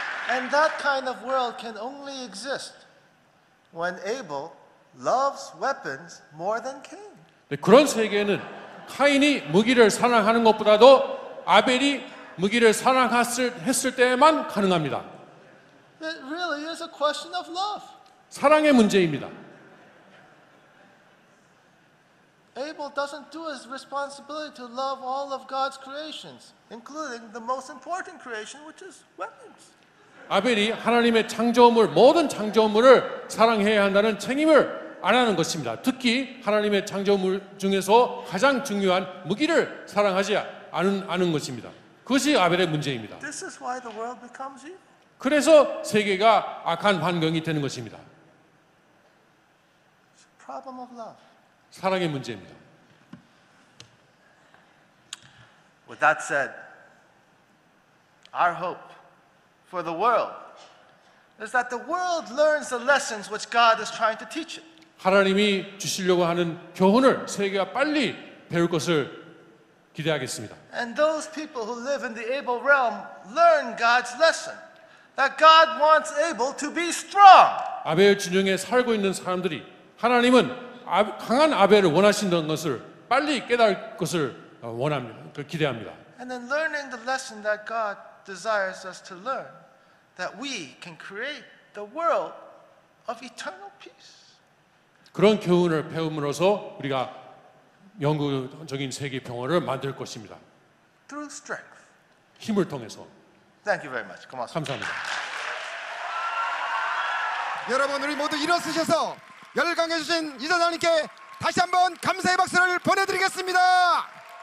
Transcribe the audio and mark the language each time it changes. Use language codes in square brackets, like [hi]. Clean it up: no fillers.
[en] And that kind of world can only exist when Abel loves weapons more than Cain. [ko] 네, 그런 세계는 카인이 무기를 사랑하는 것보다도 아벨이 무기를 사랑했을 때만 가능합니다. [en] It really is a question of love. [ko] 사랑의 문제입니다. [en] Abel doesn't do his responsibility to love all of God's creations, including the most important creation, which is weapons. [ko] 아벨이 하나님의 창조물, 모든 창조물을 사랑해야 한다는 책임을 안 하는 것입니다. 특히 하나님의 창조물 중에서 가장 중요한 무기를 사랑하지 않은 것입니다. 그것이 아벨의 문제입니다. [en] This is why the world becomes evil. [ko] 그래서 세계가 악한 환경이 되는 것입니다. [en] It's a problem of love. [ko] 사랑의 문제입니다. [en] With that said, our hope for the world is that the world learns the lessons which God is trying to teach it. [ko] 하나님이 주시려고 하는 교훈을 세계가 빨리 배울 것을 기대하겠습니다. [en] And those people who live in the Abel realm learn God's lesson that God wants Abel to be strong. [ko] 아벨 진영에 살고 있는 사람들이 하나님은 강한 아벨을 원하신다는 것을 빨리 깨달을 것을 원합니다. 기대합니다. [en] And then learning the lesson that God desires us to learn that we can create the world of eternal peace. [ko] 그런 교훈을 배움으로써 우리가 영구적인 세계 평화를 만들 것입니다. [en] Through strength. [ko] 힘을 통해서. [en] Thank you very much. [ko] 고맙습니다. 감사합니다. 여러분 우리 모두 일어서셔서 열광해 주신 이사장님께 다시 한번 감사의 박수를 보내 드리겠습니다.